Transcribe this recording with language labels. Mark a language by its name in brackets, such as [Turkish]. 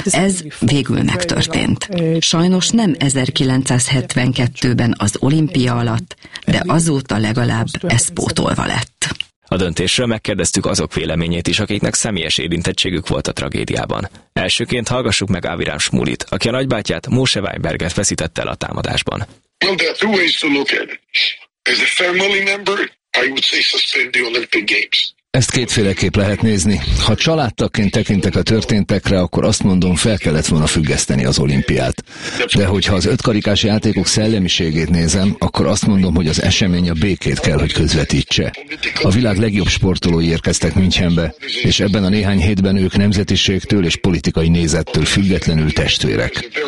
[Hungarian] Ez végül megtörtént. Sajnos nem 1972-ben az olimpia alatt, de azóta legalább ez pótolva lett. A döntésről megkérdeztük azok véleményét is, akiknek személyes érintettségük volt a tragédiában. Elsőként hallgassuk meg Aviram Shmulit, aki a nagybátyját, Moshe Weinberget veszítette el a támadásban. [English] Well, there are two ways to look at it. As a family member, I would say suspend the Olympic Games. [Hungarian] Ezt kétféleképp lehet nézni. Ha családtagként tekintek a történtekre, akkor azt mondom, fel kellett volna függeszteni az olimpiát. De hogyha az ötkarikás játékok szellemiségét nézem, akkor azt mondom, hogy az esemény a békét kell, hogy közvetítse. A világ legjobb sportolói érkeztek Münchenbe, és ebben a néhány hétben ők nemzetiségtől és politikai nézettől függetlenül testvérek.